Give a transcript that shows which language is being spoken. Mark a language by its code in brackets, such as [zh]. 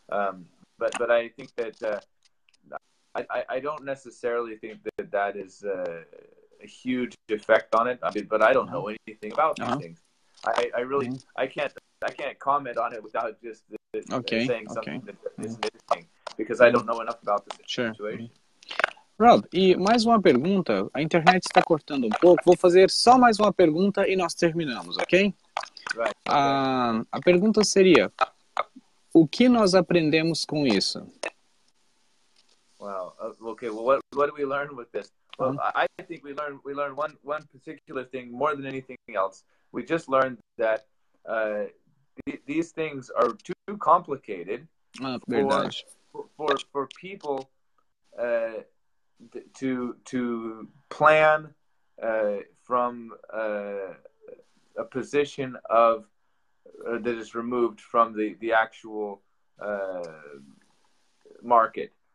[en] But I think that I don't necessarily think that is a huge effect on it. I mean, but I don't know anything about these things. I can't comment on it without just saying something that isn't interesting, because I don't know enough about the situation. [pt] Rob, e mais uma pergunta. A internet está cortando um pouco. Vou fazer só mais uma pergunta e nós terminamos, ok? A pergunta seria: o que nós aprendemos com isso? [en] What do we learn with this? I think we learn one particular thing more than anything else. We just learned that these things are too complicated for people to plan from a position of that is removed from the actual market.